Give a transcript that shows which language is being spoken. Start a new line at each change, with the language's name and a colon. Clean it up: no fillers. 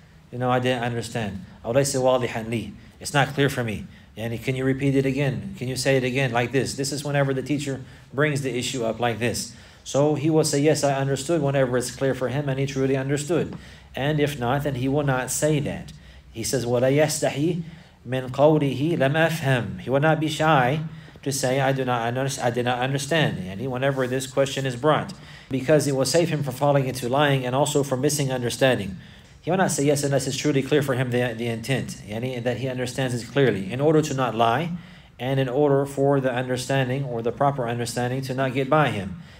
English: You know, I didn't understand.
Arabic: أو ليس واضحا لي.
English: It's not clear for me. And can you repeat it again? Can you say it again like this? This is whenever the teacher brings the issue up like this. So he will say, yes, I understood, whenever it's clear for him and he truly understood. And if not, then he will not say that. He says,
Arabic: وَلَا يَسْتَحِي مِنْ قَوْلِهِ لَمْ أَفْهَمْ.
English: He will not be shy to say, I did not understand. And whenever this question is brought, because it will save him from falling into lying and also from misunderstanding. He will not say yes unless it's truly clear for him the intent, yani, that he understands it clearly, in order to not lie, and in order for the understanding, or the proper understanding, to not get by him.